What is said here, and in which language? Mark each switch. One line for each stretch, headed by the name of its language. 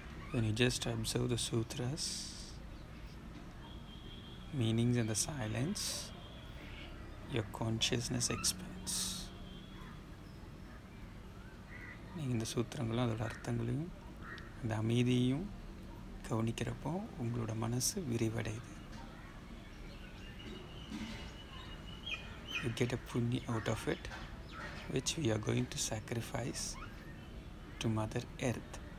English: When you just observe the sutras, meanings in the silence, your consciousness expands.
Tamil: நீங்கள் இந்த சூத்திரங்களும் அதோட அர்த்தங்களையும் அந்த அமைதியையும் கவனிக்கிறப்போ உங்களோட மனசு விரிவடையுது.
English: You get a punya out of it, which we are going to sacrifice to Mother Earth.